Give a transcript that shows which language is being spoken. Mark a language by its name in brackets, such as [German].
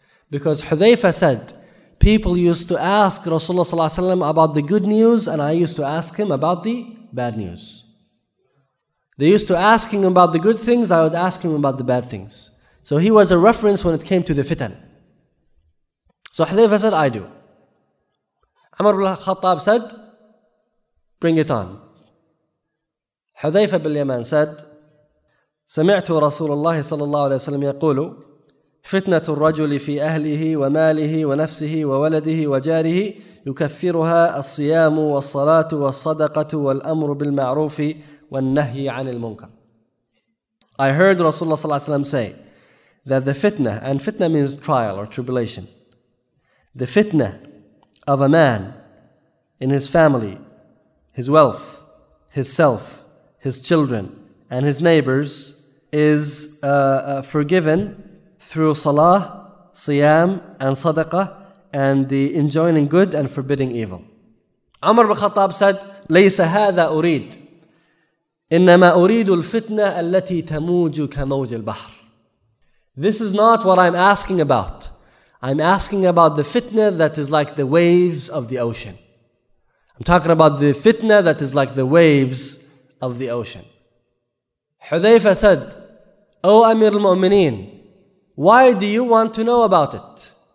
[English] Because Hudhayfa said, people used to ask Rasulullah صلى الله عليه وسلم about the good news, and I used to ask him about the bad news. They used to ask him about the good things, I would ask him about the bad things. So he was a reference when it came to the fitan. So Hudhayfa said, I do. Umar ibn Khattab said, bring it on. Hudhayfa ibn Yaman said, [Arabic] سمعت رسول الله صلى الله عليه وسلم يقول فتنة الرجل في أهله وماله ونفسه وولده وجاره يكفرها الصيام والصلاة والصدقة والأمر بالمعروف والنهي عن المنكر. [English] I heard Rasulullah صلى الله عليه وسلم say that the fitna, and fitna means trial or tribulation, the fitna of a man in his family, his wealth, his self, his children, and his neighbors is forgiven through salah, siyam, and sadaqah, and the enjoining good and forbidding evil. Umar ibn Khattab said, [Arabic] لَيْسَ هَذَا أُرِيدُ إِنَّمَا أُرِيدُ الْفِتْنَةَ الَّتِي تَمُوجُ كَمَوْجِ الْبَحْرِ. [English] This is not what I'm asking about. I'm asking about the fitna that is like the waves of the ocean. I'm talking about the fitna that is like the waves of the ocean. Hudhayfa said, O Amir al-Mu'mineen, why do you want to know about it?